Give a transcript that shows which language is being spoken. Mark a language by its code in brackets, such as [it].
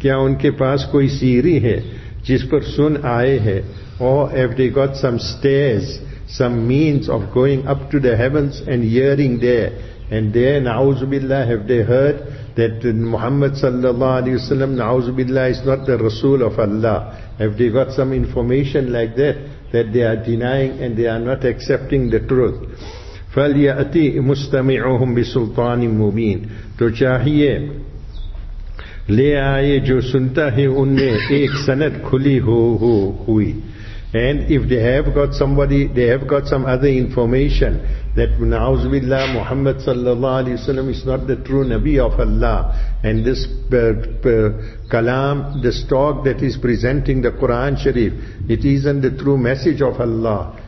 [ur] کیا ان کے پاس کوئی سیری ہے جس پر سن آئے ہیں؟ [en] Or have they got some stairs, some means of going up to the heavens and hearing there? And there, [ar] نَعُوذُ بِاللَّهِ, [en] have they heard that Muhammad sallallahu alayhi wa sallam, نَعُوذُ بِاللَّهِ, is not the Rasul of Allah? Have they got some information like that, that they are denying and they are not accepting the truth? [ar] فَلْيَأْتِ مُسْتَمِعُهُمْ بِسُلْطَانٍ مُبِينٍ. [ur] تو چاہیے لے آئے جو سنتا ہے ان میں ایک سند کھلی ہوئی. [en] And if they have got somebody, they have got some other information that [ar] نعوذ باللہ محمد صلی اللہ علیہ وسلم [en] is not the true Nabi of Allah, and this kalam, this talk that is presenting the Quran Sharif, it isn't the true message of Allah.